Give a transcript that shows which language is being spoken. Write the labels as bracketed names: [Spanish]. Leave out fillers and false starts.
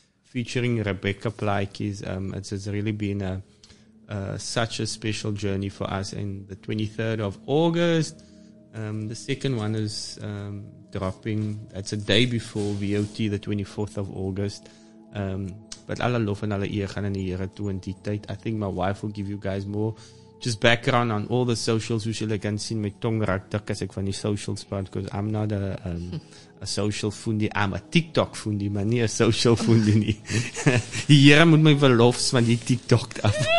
[English] Featuring Rebecca Plaikies. It's really been such a special journey for us. And the 23rd of August, the second one is dropping. That's a day before VOT, the 24th of August. [Afrikaans] But alle lof en alle eer gaan in die Here toe in die tyd. [English] I think my wife will give you guys more just background on all the socials. [Afrikaans] Hoe julle kan sien my tong raak dik as ek van die socials praat, [English] because I'm not a a social fundie, I'm a TikTok fundie, [Afrikaans] maar nie a social fundie nie. Die Here moet my verlofs van die TikTok af.